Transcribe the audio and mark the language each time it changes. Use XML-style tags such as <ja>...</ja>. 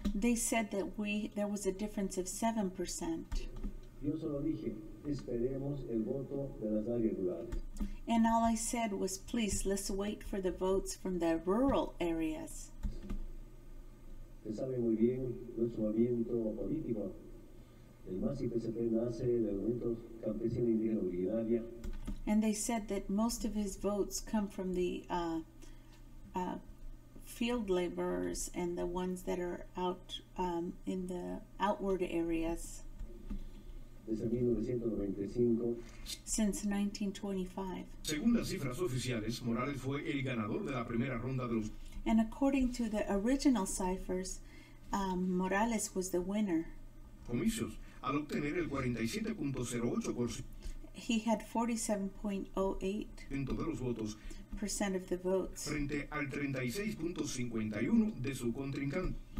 <en>they said that there was a difference of 7%.</en> <es>Yo solo dije, esperemos el voto de las áreas rurales.</es> <en>And all I said was, please, let's wait for the votes from the rural areas.</en> <es>Se sabe muy bien nuestro movimiento político. El MASI-PCP nace de movimientos campesinos indígenas originarios.</es> <en>And they said that most of his votes come from the field laborers and the ones that are out in the outward areas. Since 1925.</en> <es>Según las cifras oficiales, Morales fue el ganador de la primera ronda de los.</es> <en>And according to the original ciphers, Morales was the winner.</en> <es>Comicios, al obtener el 47.08%.</es> <en>He had 47.08%</en> <es>de los votos,</es> <en>percent of the votes,</en> <es>frente al 36.51 de su contrincante.</es>